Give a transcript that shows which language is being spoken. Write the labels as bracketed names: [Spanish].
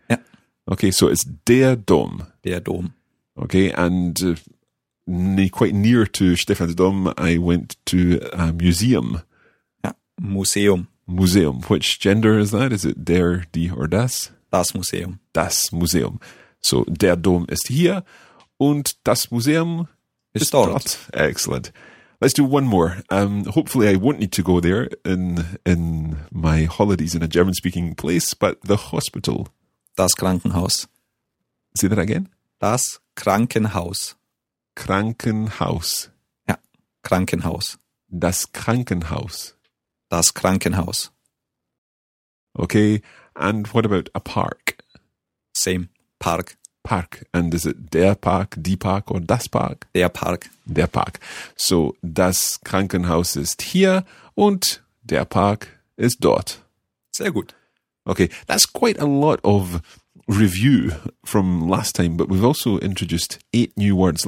[English] Yeah. Okay, so it's [German] der Dom. Der Dom. [English] Okay, and quite near to Stefan's Dom, I went to a museum. Yeah, museum. [German] Museum. [English] Which gender is that? Is it der, die, or das? [German] Das Museum. Das Museum. So der Dom ist hier und das Museum ist dort. [English] Excellent. Let's do one more. Hopefully I won't need to go there in my holidays in a German-speaking place, but the hospital. [German] Das Krankenhaus. [English] Say that again. [German] Das Krankenhaus. Krankenhaus. Ja, Krankenhaus. Das Krankenhaus. Das Krankenhaus. [English] Okay, and what about a park? Same, park. Park, and is it der Park, die Park, or das Park? [German] Der Park. Der Park. So, das Krankenhaus ist hier und der Park ist dort. Sehr gut. [English] Okay, that's quite a lot of review from last time, but we've also introduced 8 new words.